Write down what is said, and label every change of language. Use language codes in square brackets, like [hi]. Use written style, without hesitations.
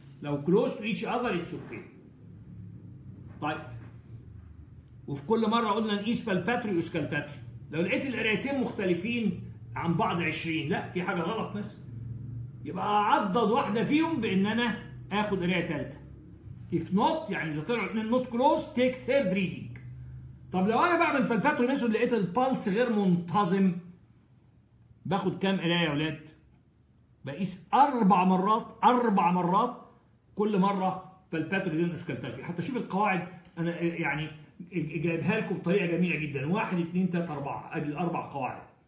[en] لو close to each other it's okay. [ar] طيب وفي كل مره قلنا نقيس بالباتري وسكالباتري، لو لقيت القرايتين مختلفين عن بعض 20، لا في حاجه غلط مثلا، يبقى اعضد واحده فيهم بان انا اخد قرايه ثالثه. [en] If not [ar] يعني إذا طلعوا الاثنين [en] not close take third reading. [ar] طب لو أنا بعمل بالباتري ميثود لقيت البالس غير منتظم باخد كام قراية يا ولاد؟ بقيس 4 مرات كل مرة بالباتري دين اسكالباتري. حتى شوف القواعد أنا يعني جايبها لكم بطريقة جميلة جدا، 1 2 3 4، أدي الأربع قواعد.